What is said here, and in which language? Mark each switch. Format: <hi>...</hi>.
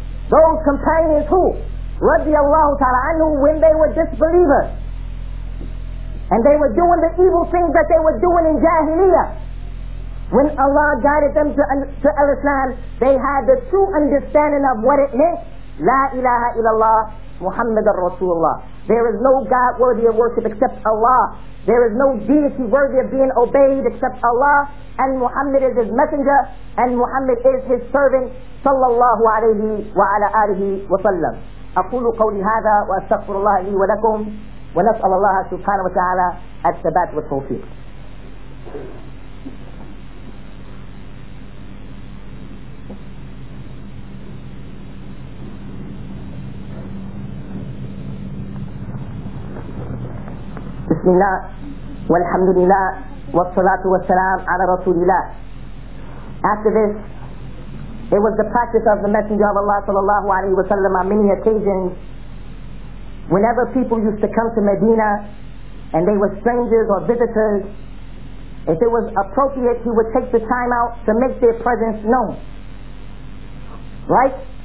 <en>Those companions who, radiallahu ta'ala anhu, when they were disbelievers, and they were doing the evil things that they were doing in Jahiliyyah, when Allah guided them to Islam, they had the true understanding of what it meant,</en> <ar>La ilaha illallah, Muhammadur Rasulullah.</ar> <en>There is no God worthy of worship except Allah. There is no deity worthy of being obeyed except Allah, and Muhammad is his messenger, and Muhammad is his servant, sallallahu alayhi wa ala alihi wa sallam.</en> <ar>أقول قولي هذا وأستغفر الله لي ولكم ونسأل الله سبحانه وتعالى الثبات والتوفيق. بسم الله والحمد لله والصلاة والسلام على رسول الله.</ar> <en>After this, it was the practice of the Messenger of Allah sallallahu alayhi wa sallam on many occasions, whenever people used to come to Medina and they were strangers or visitors, if it was appropriate, he would take the time out to make their presence known. Right?</en>